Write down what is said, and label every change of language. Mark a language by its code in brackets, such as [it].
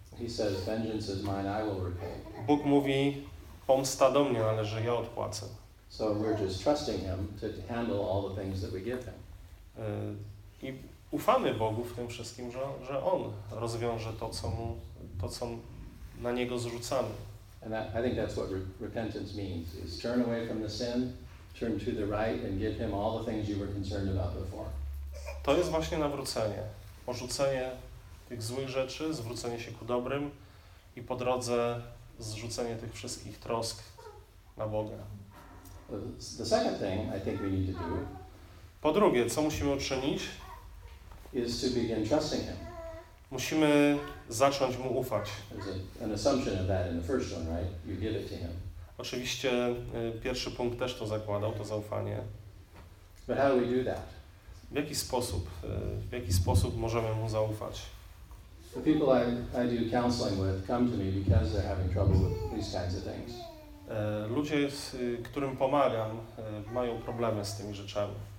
[en] He says, "Vengeance is mine, I will repay." [pl] Bóg mówi, pomsta do mnie należy, ja odpłacę. [en] So we're just trusting Him to handle all the things that we give Him. [pl] I ufamy Bogu w tym wszystkim, że On rozwiąże to, co na Niego zrzucamy. [en] And I think that's what repentance means. It's turn away from the sin, turn to the right and give Him all the things you were concerned about before. [pl] To jest właśnie nawrócenie. Porzucenie tych złych rzeczy, zwrócenie się ku dobrym i po drodze zrzucenie tych wszystkich trosk na Boga. [en] The second thing I think we need to do. [pl] Po drugie, co musimy uczynić? [en] is to begin trusting him. [pl] Musimy zacząć mu ufać. [en] An assumption of that in the first one, right? You give it to him. [pl] Oczywiście pierwszy punkt też to zakładał, to zaufanie. [en] But how do we do that? [pl] W jaki sposób możemy mu zaufać? [en] The people I do counseling with come to me because they're having trouble with these kinds of things. [pl] Ludzie, z którym pomagam, mają problemy z tymi rzeczami.